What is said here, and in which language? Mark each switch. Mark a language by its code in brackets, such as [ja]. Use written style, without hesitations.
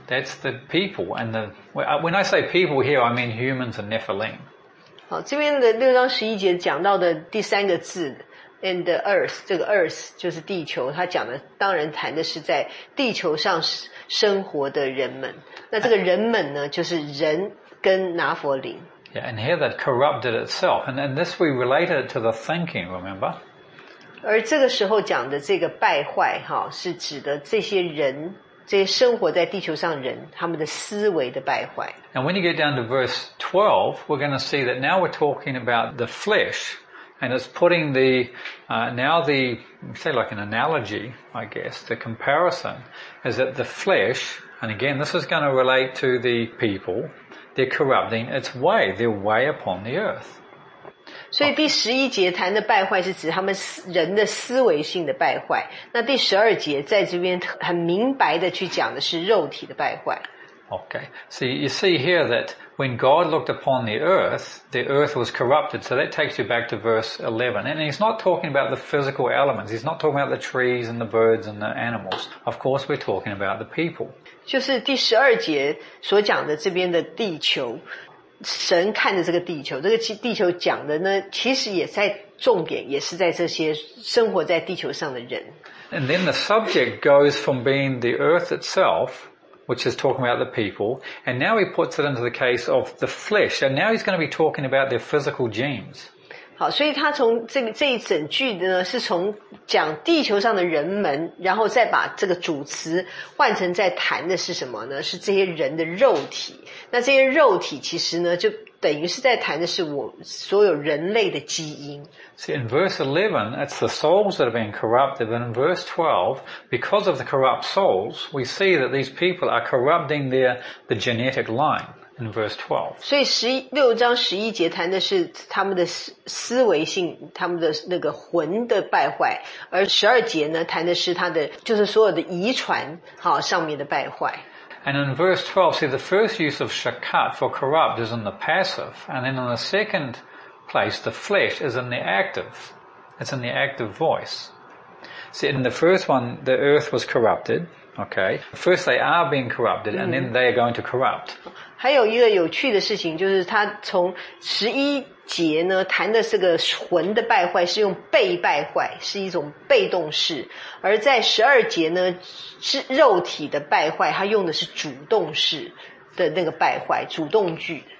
[en] That's the people. And when I say people here, I mean humans and Nephilim. [zh] 好，这边的六章十一节讲到的第三个字 ， [en] and the earth， [zh] 这个 earth 就是地球，它讲的当然谈的是在地球上生活的人们。那这个人们呢，就是人跟拿弗林。 [en] Yeah, and here that corrupted itself, and this we related to the thinking, remember? [zh] 而这个时候讲的这个败坏，哈，是指的这些人。这些生活在地球上人他们的思维的败坏。 [en] And when you get down to verse 12, we're going to see that now we're talking about the flesh, and it's putting the, now the, say like an analogy, I guess, the comparison, is that the flesh, and again, this is going to relate to the people, they're corrupting its way, they're way upon the earth. [zh] 所以第十一节谈的败坏是指他们人的思维性的败坏。那第十二节在这边很明白的去讲的是肉体的败坏。 [en] Okay, so you see here that when God looked upon the earth was corrupted. So that takes you back to verse 11. And he's not talking about the physical elements. He's not talking about the trees and the birds and the animals. Of course, we're talking about the people. [zh] 就是第十二节所讲的这边的地球。神看着这个地球，这个地球讲的呢，其实也在重点，也是在这些生活在地球上的人。 [en] And then the subject goes from being the earth itself, which is talking about the people, and now he puts it into the case of the flesh, and now he's going to be talking about their physical genes. [zh] 好，所以他从这一整句呢，是从讲地球上的人们，然后再把这个主词换成在谈的是什么呢？是这些人的肉体。那这些肉体其实呢，就等于是在谈的是我所有人类的基因。 [en] See, in verse 11, it's the souls that are being corrupted. But in verse 12, because of the corrupt souls, we see that these people are corrupting the genetic line in verse 12. [zh] 所以六章十一节谈的是他们的思维性，他们的那个魂的败坏，而十二节呢，谈的是他的就是所有的遗传好上面的败坏。 [en] And in verse 12, see, the first use of shakat for corrupt is in the passive. And then in the second place, the flesh is in the active. It's in the active voice. See, in the first one, the earth was corrupted. Okay. First, they are being corrupted, and then they are going to corrupt. [zh] 还有一个有趣的事情，就是他从十一节呢，谈的是个魂的败坏，是用被败坏，是一种被动式。而在十二节呢，是肉体的败坏，他用的是主动式的那个败坏，主动句。